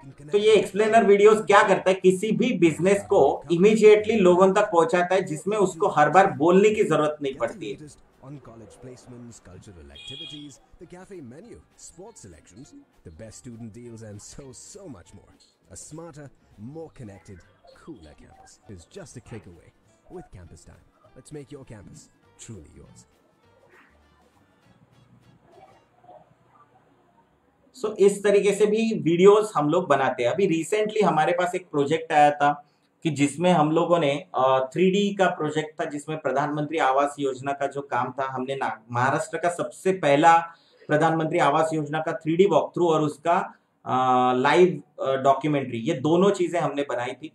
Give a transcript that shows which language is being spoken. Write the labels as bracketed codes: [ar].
[hi] तो ये explainer videos क्या करता है, किसी भी बिजनेस को इमीडिएटली लोगों तक पहुंचाता है, जिसमें उसको हर बार बोलने की जरूरत नहीं पड़ती है। [en] On college placements, cultural activities, the cafe menu, sports selections, the best student deals, and so, so much more. A smarter, more connected, cooler campus is just a click away with Campus Time. Let's make your campus truly yours. [hi] So, इस तरीके से भी videos हम लोग बनाते हैं। अभी recently हमारे पास एक प्रोजेक्ट आया था कि जिसमें हम लोगों ने 3D का प्रोजेक्ट था, जिसमें प्रधानमंत्री आवास योजना का जो काम था, हमने ना महाराष्ट्र का सबसे पहला प्रधानमंत्री आवास योजना का 3D वॉक थ्रू और उसका लाइव डॉक्यूमेंट्री, ये दोनों चीजें हमने बनाई थी।